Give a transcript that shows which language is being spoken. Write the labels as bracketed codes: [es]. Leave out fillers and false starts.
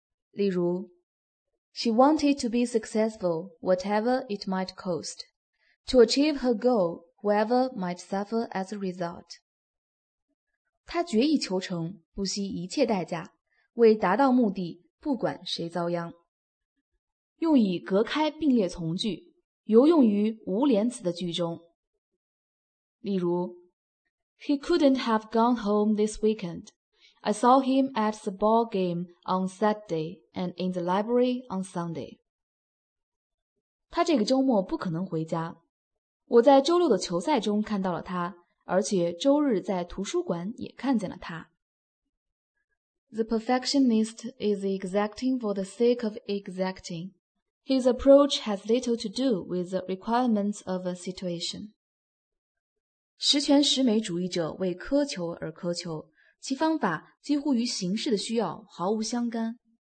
[en] 例如 She wanted to be successful, whatever it might cost, to achieve her goal, whoever might suffer as a result. [zh] 她决意求成，不惜一切代价，为达到目的，不管谁遭殃。用以隔开并列从句，尤用于无连词的句中。 [en] 例如 He couldn't have gone home this weekend. I saw him at the ball game on Saturday and in the library on Sunday. [zh] 他这个周末不可能回家。我在周六的球赛中看到了他，而且周日在图书馆也看见了他。 [en] The perfectionist is exacting for the sake of exacting. His approach has little to do with the requirements of a situation. [zh] 十全十美主义者为苛求而苛求，其方法几乎与形式的需要毫无相干。